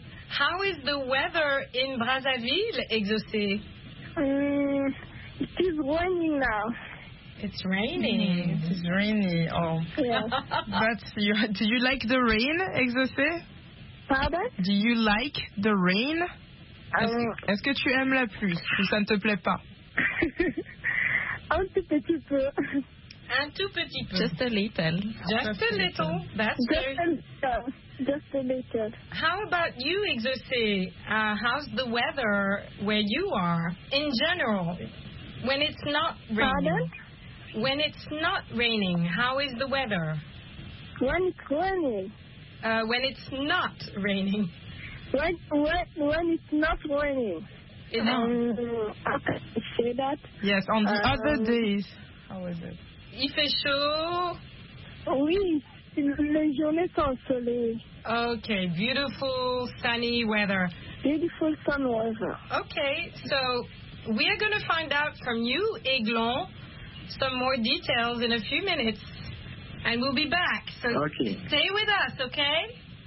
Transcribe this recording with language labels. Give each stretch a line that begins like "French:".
English: How is the weather in Brazzaville, exaucé? It is raining now. It's raining. It's rainy. Oh. Yes. Do you like the rain, exaucé? Pardon? Do you like the rain?
French: Est-ce que tu aimes la pluie, si ça ne te plaît pas? Un tout petit peu. Un tout petit peu.
English: Just a little. Just a little. That's good. Just a little. How about you, Exocé? How's the weather where you are in general? When it's not raining. Pardon? When it's not raining, how is the weather? When it's raining. When it's not raining. When it's not raining. Is it? I can say that. Yes, on the other days. How is it?
French: Il fait chaud. Oui, les journées sont soleil.
English: Okay, beautiful sunny weather. Beautiful sun weather. Okay, so we are going to find out from you, Aiglon, some more details in a few minutes, and we'll be back. So okay. Stay with us, okay?